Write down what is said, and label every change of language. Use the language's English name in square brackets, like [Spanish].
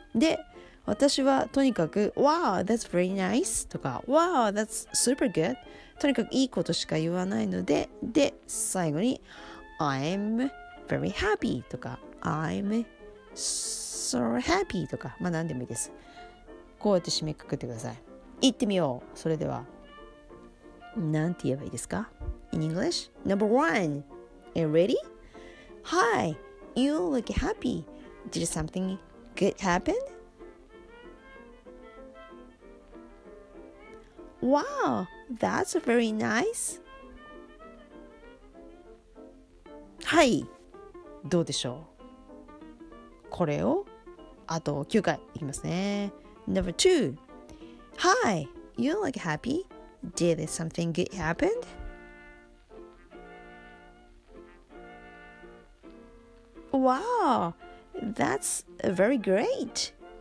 [Japanese] で、私はとにかく [English] Wow, that's very nice とか Wow, that's super good とにかくいいことしか言わないので、で、最後に I'm very happy とか I'm so happy [Japanese] とか、まあ何でもいいです。こうやって締めくくってください。いってみよう。それでは、なんて言えばいいですか [English] In English? Number one. Are you ready? Hi, you look happy. Did something good happen? Wow, that's very nice. [Japanese] はい、どうでしょう。これをあと9回いきますね。 [English] Number two. Hi, you look happy. Did something good happen? Wow, that's very great.